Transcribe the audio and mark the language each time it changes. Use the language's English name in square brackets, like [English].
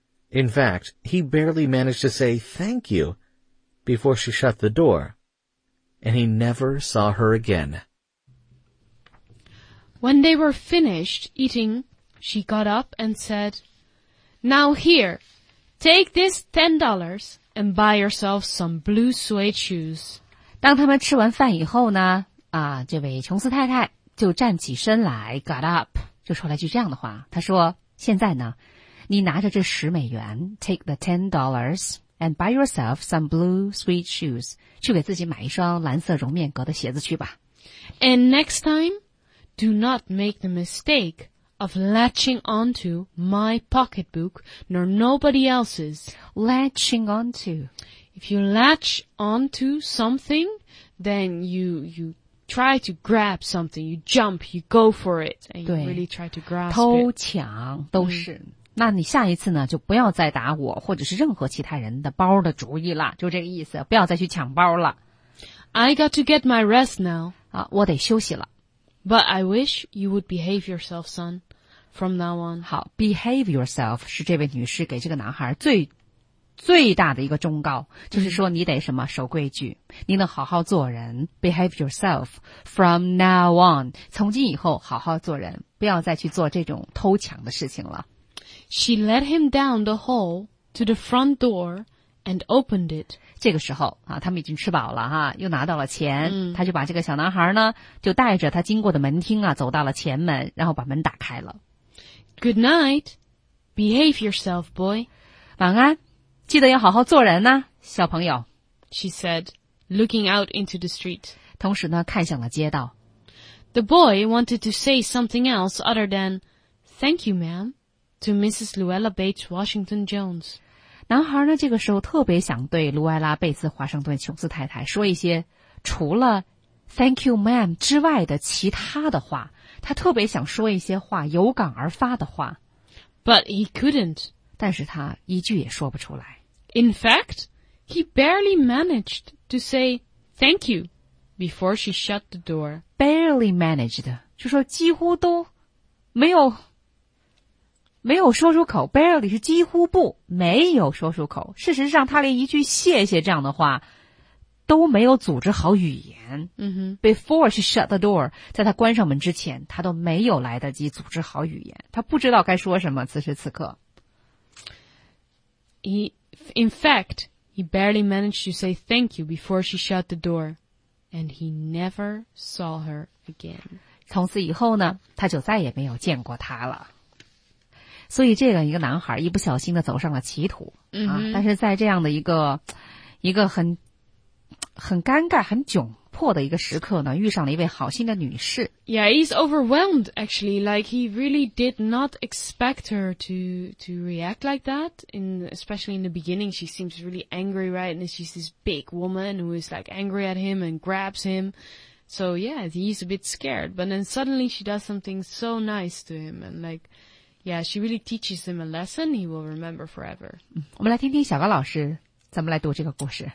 [English] In fact, he barely managed to say thank you before she shut the door, and he never saw her again. When they were finished eating, she got up and said, Now here, take this $10. And buy yourself some blue suede shoes. [Chinese] 当他们吃完饭以后呢，啊，这位琼斯太太就站起身来 ， [English] got up， [Chinese] 就说了句这样的话。她说：“现在呢，你拿着这$10 ， [English] take the $10 and buy yourself some blue suede shoes， [Chinese] 去给自己买一双蓝色绒面革的鞋子去吧。 [English] And next time, do not make the mistake.” Of latching onto my pocketbook nor nobody else's. Latching onto. If you latch onto something, then you try to grab something. You jump, you go for it. And you really try to grasp it. [Chinese] 偷抢都是、嗯。那你下一次呢就不要再打我或者是任何其他人的包的主意了。就这个意思，不要再去抢包了。 [English] I got to get my rest now. [Chinese] 啊，我得休息了。 [English] But I wish you would behave yourself, son, from now on. [Chinese] 好 , [English] behave yourself [Chinese] 是这位女士给这个男孩最大的一个忠告，就是说你得什么守规矩，你能好好做人 , [English] behave yourself from now on, [Chinese] 从今以后好好做人，不要再去做这种偷抢的事情了。 [English] She led him down the hall to the front door and opened it. [Chinese] 这个时候啊，他们已经吃饱了哈、啊，又拿到了钱、嗯，他就把这个小男孩呢，就带着他经过的门厅啊，走到了前门，然后把门打开了。 [English] Good night, behave yourself, boy. [Chinese] 晚安，记得要好好做人呢、啊，小朋友。 [English] She said, looking out into the street. [Chinese] 同时呢，看向了街道。 [English] The boy wanted to say something else other than "Thank you, ma'am" to Mrs. Luella Bates Washington Jones. [Chinese] 男孩呢这个时候特别想对卢埃拉贝斯华盛顿琼斯太太说一些除了 [English] thank you ma'am [Chinese] 之外的其他的话，他特别想说一些话，有感而发的话。 [English] But he couldn't. [Chinese] 但是他一句也说不出来。 [English] In fact, he barely managed to say thank you before she shut the door. Barely managed, [Chinese] 就说几乎都没有说出口 ,barely 是几乎不没有说出口。事实上他连一句谢谢这样的话都没有组织好语言。 Mm-hmm. [English] Before she shut the door, [Chinese] 在他关上门之前他都没有来得及组织好语言。他不知道该说什么此时此刻。 [English] In fact, he barely managed to say thank you before she shut the door, and he never saw her again. [Chinese] 从此以后呢他就再也没有见过他了。所以这个一个男孩一不小心的走上了歧途、嗯、啊。但是在这样的一个很尴尬很窘迫的一个时刻呢，遇上了一位好心的女士。 [English] Yeah, he's overwhelmed actually, like he really did not expect her to react like that, especially in the beginning. She seems really angry, right? And she's this big woman who is like angry at him and grabs him. So yeah, he's a bit scared, but then suddenly she does something so nice to him and like, yeah, she really teaches him a lesson he will remember forever. [Chinese] 我们来听听小高老师怎么来读这个故事。